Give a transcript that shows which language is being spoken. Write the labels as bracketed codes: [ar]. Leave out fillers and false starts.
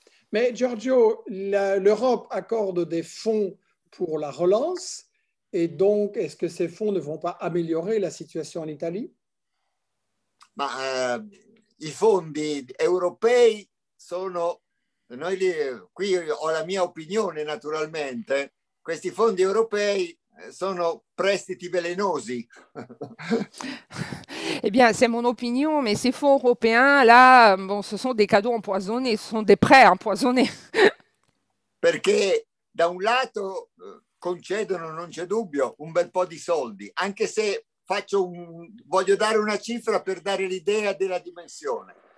[fr] Mais Giorgio, l'Europe accorde des fonds pour la relance, Et donc, est-ce que ces fonds ne vont pas améliorer la situation en Italie? [it] Ma i fondi europei sono, noi li, qui ho la mia opinione naturalmente, questi fondi europei sono prestiti velenosi. [fr] Eh bien, c'est mon opinion, mais ces fonds européens, là, bon, ce sont des cadeaux empoisonnés, ce sont des prêts empoisonnés. [it] Perché da un lato concedono, non c'è dubbio, un bel po' di soldi, anche se voglio dare una cifra per dare l'idea della dimensione.